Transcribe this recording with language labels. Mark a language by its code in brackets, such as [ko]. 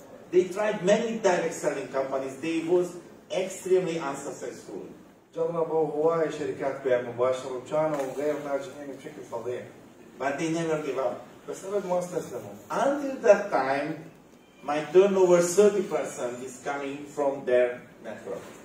[en] They tried many direct selling companies. They was extremely unsuccessful. [ar] جربوا هواي شركات بيع مباشر وكانوا غير ناجحين بشكل فظيع. [en] But they never gave up. [ar] بس أبد ما استسلموا. [en] Until that time, my turnover 30% is coming from their network.